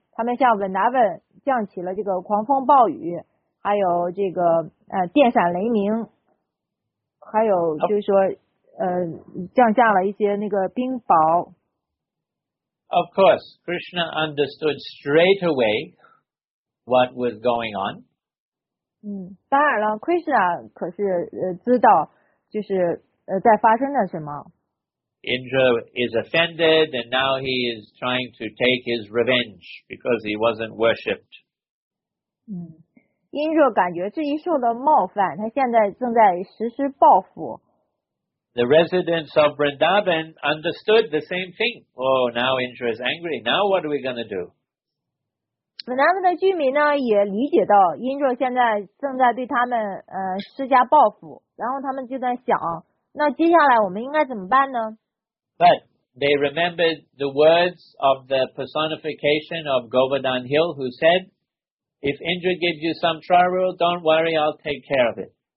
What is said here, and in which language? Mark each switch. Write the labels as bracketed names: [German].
[Chinese] 他们向文达本降起了这个狂风暴雨，还有这个电闪雷鸣，还有就是说降下了一些那个冰雹。 [English] Of course, Krishna understood straight away what was going on. [Chinese] 当然了 ，Krishna 可是知道就是在发生了什么。 [English] Indra is offended and now he is trying to take his revenge because he wasn't worshipped. [Chinese] Indra 感觉自己受到冒犯，他现在正在实施报复。 [English] The residents of Vrindavan understood the same thing. Oh, now Indra is angry. Now what are we going to do? [Chinese] Vrindavan 的居民呢也理解到 Indra 现在正在对他们施加报复，然后他们就在想，那接下来我们应该怎么办呢？ [English] But they remembered the words of the personification of Govardhan Hill, who said, "If Indra gives you some trouble, don't worry, I'll take care of it."